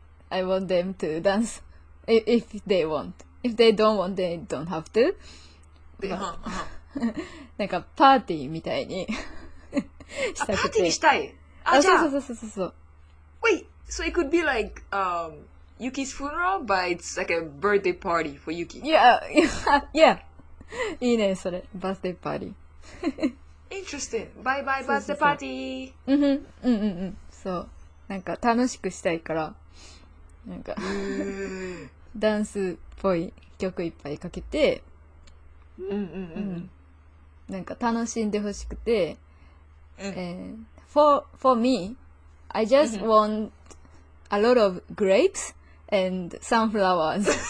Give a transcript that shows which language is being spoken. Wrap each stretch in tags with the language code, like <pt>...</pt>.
<en>I want them to dance if they want. If they don't want, they don't have to.</en> <ja>なんかパーティーみたいにしたくて。あ、パーティーにしたい。そう。</ja> <en>Wait, so it could be like, Yuki's funeral, but it's like a birthday party for Yuki. Yeah.</en> <ja>いいね、それ。</ja> <en>Birthday party. Interesting. Bye bye birthday party.</en> <ja>そう。なんか楽しくしたいから、なんか、ダンスっぽい曲いっぱいかけて、なんか楽しんでほしくて、</ja> <en>for me, I just want a lot of grapes and sunflowers.</en>